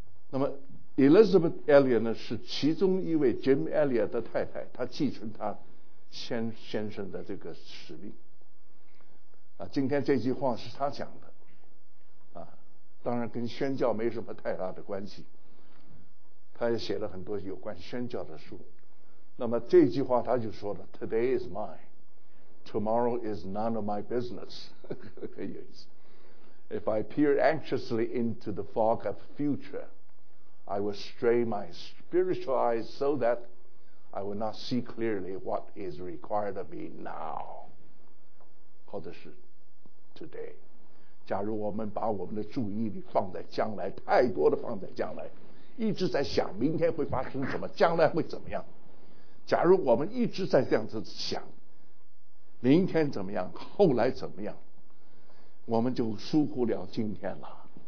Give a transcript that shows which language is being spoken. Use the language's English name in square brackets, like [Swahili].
[Chinese] 那么 Elizabeth Elliot 呢，是其中一位 Jim Elliot 的太太，她继承她先生的这个使命啊。今天这句话是她讲的啊，当然跟宣教没什么太大的关系，她也写了很多有关宣教的书。那么这句话他就说了， [English] Today is mine, tomorrow is none of my business. [Chinese] 很有意思。 [English] If I peer anxiously into the fog of future, I will strain my spiritual eyes so that I will not see clearly what is required of me now, [Chinese] 或者是 [English] today。 [Chinese] 假如我们把我们的注意力放在将来，太多的放在将来，一直在想明天会发生什么，将来会怎么样，假如我们一直在这样子想明天怎么样，后来怎么样，我们就疏忽了今天了。